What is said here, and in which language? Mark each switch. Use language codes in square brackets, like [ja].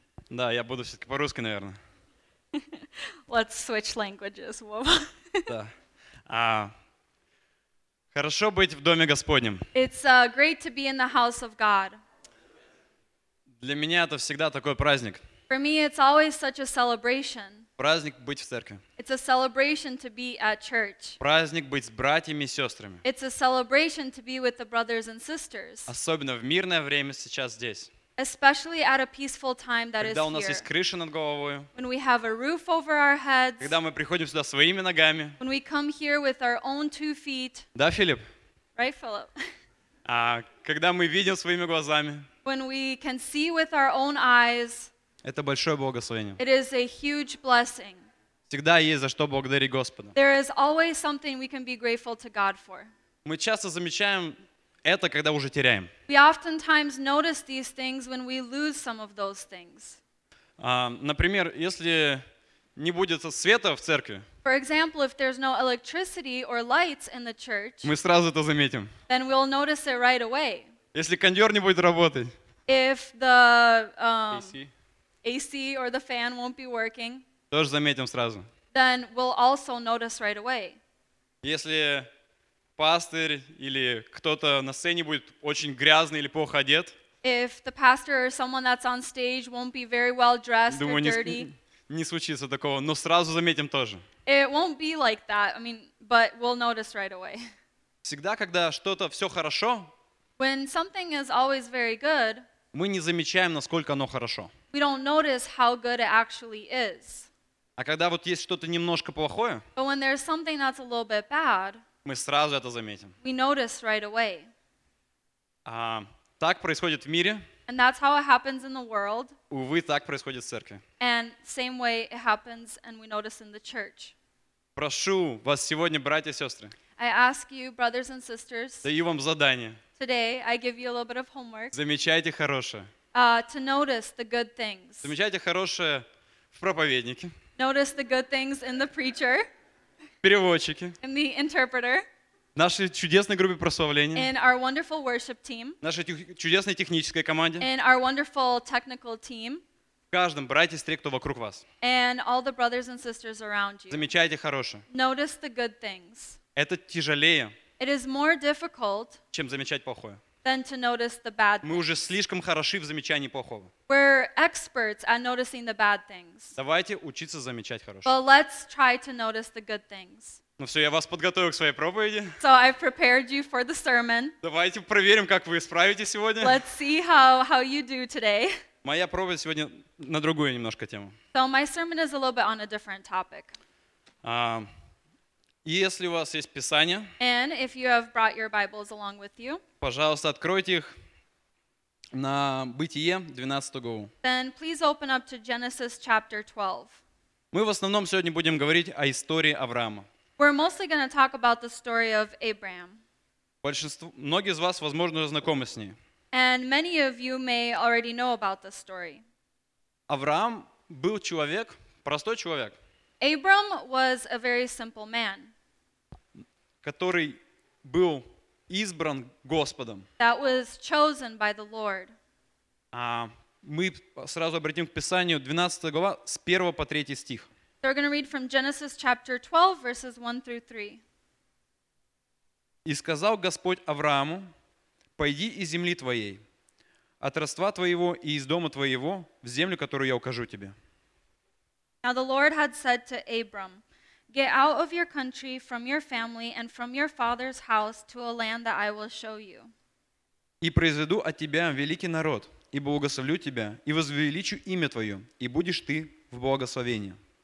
[ru] Да, я буду все-таки по-русски, наверное. [en] Let's switch languages, Вова. [ru] Да. Хорошо быть в доме Господнем. [en] It's great to be in the house of God. [ru] Для меня это всегда такой праздник. [en] For me, it's always such a celebration. [ru] Праздник быть в церкви. [en] It's a celebration to be at church. [ru] Праздник быть с братьями и сестрами. [en] It's a celebration to be with the brothers and sisters. [ru] Особенно в мирное время сейчас здесь. [en] Especially at a peaceful time that [ru] когда [en] is here. [ru] Когда у нас есть крыша над головой. [en] When we have a roof over our heads. [ru] Когда мы приходим сюда своими ногами. [en] When we come here with our own two feet. [ru] Да, Филипп? [en] Right, Philip? [ru] Когда мы видим своими глазами. [en] When we can see with our own eyes. [ru] Это большое благословение. [en] It is a huge blessing. [ru] Всегда есть за что благодарить Господа. [en] There is always something we can be grateful to God for. [ru] Мы часто замечаем это, когда уже теряем. [en] We oftentimes notice these things when we lose some of those things. [ru] Например, если не будет света в церкви. [en] For example, if there's no electricity or lights in the church. [ru] Мы сразу это заметим. [en] Then we'll notice it right away. [ru] Если кондёр не будет работать. [en] If the AC or the fan won't be working. [ru] Тоже заметим сразу. [en] Then we'll also notice right away. [ru] Если пастор или кто-то на сцене будет очень грязный или плохо одет. [en] If the pastor or someone that's on stage won't be very well dressed or dirty. [ru] Не случится такого, но сразу заметим тоже. [en] It won't be like that. I mean, but we'll notice right away. [ru] Всегда, когда что-то все хорошо. [en] When something is always very good. [ru] Мы не замечаем, насколько оно хорошо. [en] We don't notice how good it actually is. [ru] А когда вот есть что-то немножко плохое. [en] But when there's something that's a little bit bad. [ru] Мы сразу это заметим. [en] We notice right away. [ru] Так происходит в мире. [en] And that's how it happens in the world. [ru] Увы, так происходит в церкви. [en] And same way it happens and we notice in the church. [ru] Прошу вас сегодня, братья и сестры. [en] I ask you, brothers and sisters. [ru] Даю вам задание. [en] Today I give you a little bit of homework. [ru] Замечайте хорошее. [en] To notice the good things. [ru] Замечайте хорошее в проповеднике. [en] Notice the good things in the preacher. [ru] Переводчики. [en] In the interpreter. [ru] нашей чудесной группе прославления, [en] in our wonderful worship team, [ru] нашей чудесной технической команде, [en] in our wonderful technical team, [ru] каждом брате и сестре, кто вокруг вас, [en] and all the brothers and sisters around you, [ru] замечайте хорошее. [en] Notice the good things. [ru] Это тяжелее, [en] it is more difficult, [ru] чем замечать плохое. [en] Than to notice the bad things. [ru] Мы уже слишком хороши в замечании плохого. [en] We're experts at noticing the bad things. [ru] Давайте учиться замечать хорошее. [en] But let's try to notice the good things. [ru] Ну все, я вас подготовил к своей проповеди. [en] So I've prepared you for the sermon. [ru] Давайте проверим, как вы справитесь сегодня. [en] Let's see how you do today. [ru] Моя проповедь сегодня на другую немножко тему. [en] So my sermon is a little bit on a different topic. [ru] Если у вас есть Писание, [en] and if you have brought your Bibles along with you, [ru] пожалуйста, откройте их на Бытие, 12 главу. [en] Then please open up to Genesis chapter 12. [ru] Мы в основном сегодня будем говорить о истории Авраама. [en] We're mostly going to talk about the story of Abraham. [ru] Большинство, многие из вас, возможно, знакомы с ней. [en] And many of you may already know about this story. [ru] Авраам был человек, простой человек. [en] Abram was a very simple man. [ru] Который был избран Господом. [en] That was chosen by the Lord. [ru] Мы сразу обратим к Писанию 12 глава с 1 по 3 стих. [en] So we're going to read from Genesis chapter 12, verses 1 through 3. [ru] «И сказал Господь Аврааму, пойди из земли твоей, от родства твоего и из дома твоего, в землю, которую я укажу тебе». [en] Now the Lord had said to Abram, get out of your country, from your family, and from your father's house to a land that I will show you. [ru] И произведу от тебя великий народ, и благословлю тебя, и возвеличу имя твое, и будешь ты в благословении.